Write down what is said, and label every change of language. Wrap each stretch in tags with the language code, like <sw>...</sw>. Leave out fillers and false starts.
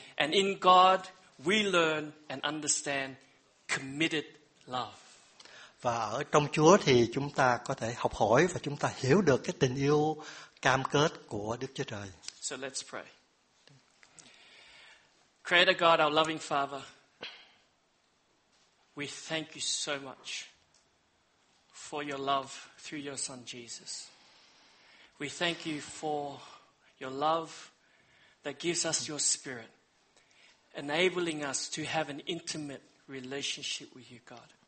<en>And in God we learn and understand committed love.</en> <vi>Và ở trong Chúa thì chúng ta có thể học hỏi và chúng ta hiểu được cái tình yêu cam kết của Đức Chúa Trời.</vi> <en>So let's pray. Creator God, our loving Father, we thank you so much for your love through your Son Jesus. We thank you for your love that gives us your Spirit, enabling us to have an intimate relationship with you, God.</en>